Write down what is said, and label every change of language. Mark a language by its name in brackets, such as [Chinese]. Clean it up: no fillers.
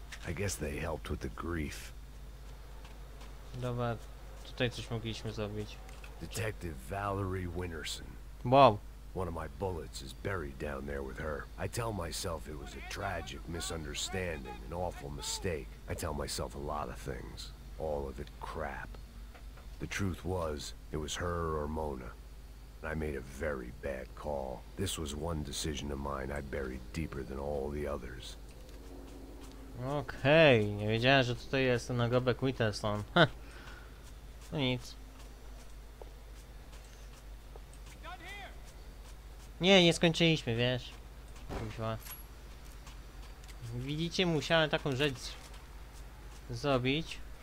[English] I guess they helped with the grief. [Polish] Dobra, tutaj coś mogliśmy zrobić. [English] Detective Valerie Winterson. Wow. One of my bullets is buried down there with her. I tell myself it was a tragic misunderstanding, an awful mistake. I tell myself a lot of things. All of it crap. The truth was, it was her or Mona. I made a very bad call. This was one decision of mine I buried deeper than all the others. Okej, okay. [Polish] Nie wiedziałem, że tutaj jest nagrobek Witherston. No nic. Nie, nie skończyliśmy, wiesz. Widzicie, musiałem taką rzecz zrobić.